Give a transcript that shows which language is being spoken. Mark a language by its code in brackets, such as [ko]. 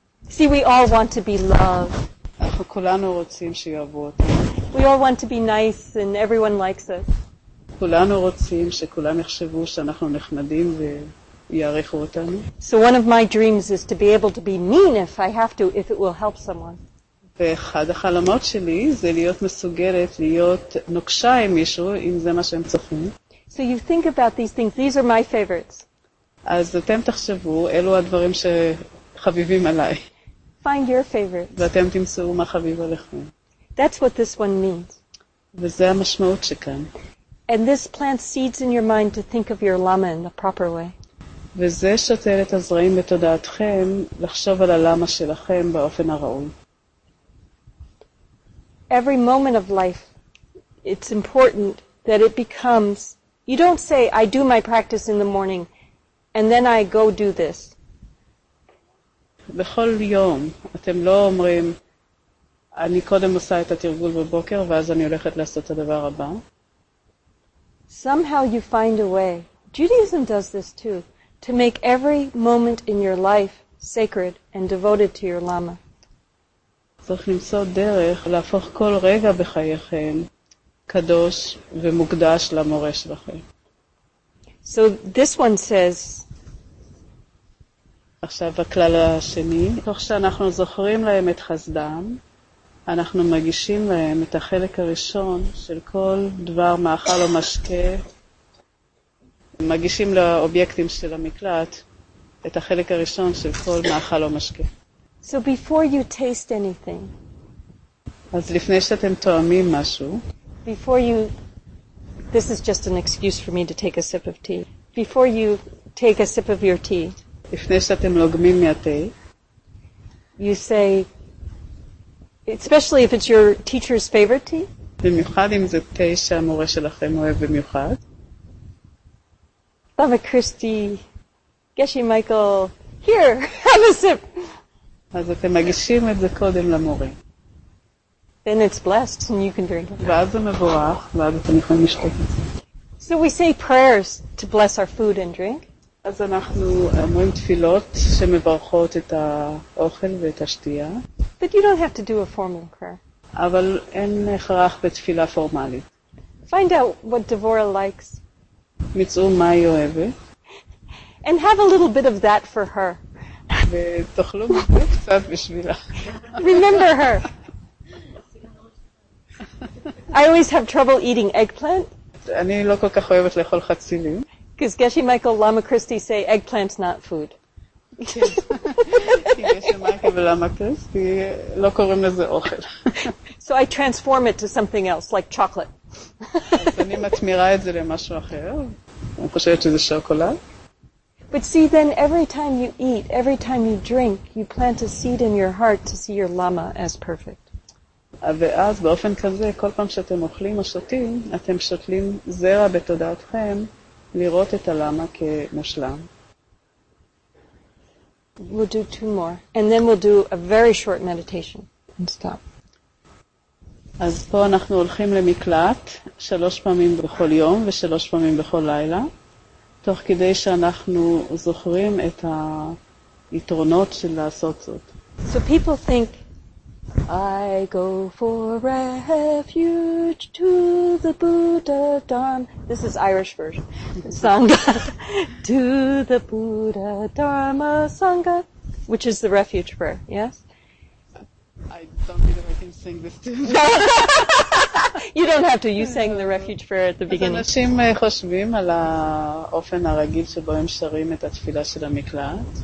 [en] See, we all want to be loved. [he] אנחנו כולנו רוצים שיאהבו אותנו. [en] We all want to be nice and everyone likes us. [he] כולנו רוצים שכולם יחשבו שאנחנו נחמדים ו... יעריכו אותנו. [en] So one of my dreams is to be able to be mean if I have to, if it will help someone. [he] ואחד החלומות שלי זה להיות מסוגלת להיות נוקשה עם מישהו אם זה מה שהם צריכים. [en] So you think about these things, these are my favorites. [he] אז אתם תחשבו, אלו הדברים שחביבים עליי. [en] Find your favorites. [he] ואתם תמצאו מה חביב עליכם. [en] That's what this one means. [he] וזה המשמעות שכאן. [en] And this plants seeds in your mind to think of your lama in the proper way. [he] וזה שותל את הזרעים בתודעתכם לחשוב על הלמה שלכם באופן הראוי. [en] Every moment of life, it's important that it becomes, you don't say, I do my practice in the morning, and then I go do this. [he] בכל יום, אתם לא אומרים, אני קודם עושה את התרגול בבוקר, ואז אני הולכת לעשות את הדבר הבא. [en] Somehow you find a way. Judaism does this too. To make every moment in your life sacred and devoted to your lama. [he] צריך למצוא דרך להפוך כל רגע בחייכם קדוש ומוקדש למורה שלכם. [en] So this one says, [he] עכשיו הכלל השני, תוך שאנחנו זוכרים להם את חסדם, אנחנו מגישים להם את החלק הראשון של כל דבר מאכל או משקה, מגישים לאובייקטים של המקלט את החלק הראשון של כל מאכל או משקה. [en] So before you taste anything. [he] אז לפני שאתם טועמים משהו. [en] Before you, this is just an excuse for me to take a sip of tea. Before you take a sip of your tea. [he] לפני שאתם לוגמים מהתה. [en] You say, especially if it's your teacher's favorite tea. [he] במיוחד אם זה תה שהמורה שלכם אוהב במיוחד. [en] Lama Christy, Geshe Michael, here, have a sip. [he] אז אתם מגישים את זה קודם למורה. [en] Then it's blessed and you can drink it. [he] ואז זה מבורך, ואז אתם יכולים לשתות את זה. [en] So we say prayers to bless our food and drink. [he] אז אנחנו אומרים תפילות שמברכות את האוכל ואת השתייה. [en] But you don't have to do a formal prayer. [he] אבל אין הכרח בתפילה פורמלית. [en] Find out what Devorah likes. [he] מצאו מה היא אוהבת. [en] And have a little bit of that for her. [he] ותאכלו מזה קצת בשבילה. [en] Remember her. I always have trouble eating eggplant. [he] אני לא כל כך אוהבת לאכול חצילים. [en] Because Geshe Michael Lama Christy say eggplant's not food. [he] Geshe Michael Lama Christy לא קוראים לזה אוכל. [en] So I transform it to something else, like chocolate. [he] אני מתמירה את זה למשהו אחר. אני חושבת שזה שוקולד. [en] But see, then every time you eat, every time you drink, you plant a seed in your heart to see your lama as perfect. [he] ואז באופן כזה, כל פעם שאתם אוכלים או שותים, אתם שותלים זרע בתודעתכם לראות את הלמה כמושלם. [en] We'll do two more. And then we'll do a very short meditation. And stop. [he] אז פה אנחנו הולכים למקלט שלוש פעמים בכל יום ושלוש פעמים בכל לילה, תוך כדי שאנחנו זוכרים את היתרונות של לעשות זאת. [en] So people think, I go for refuge to the Buddha Dharma. This is Irish version. Sangha. To the Buddha Dharma Sangha. Which is the refuge prayer, yes? I don't know if I can sing this too. You don't have to. You sang the refuge prayer at the beginning. [he] אז אנשים חושבים על האופן הרגיל שבו הם שרים את התפילה של המקלט.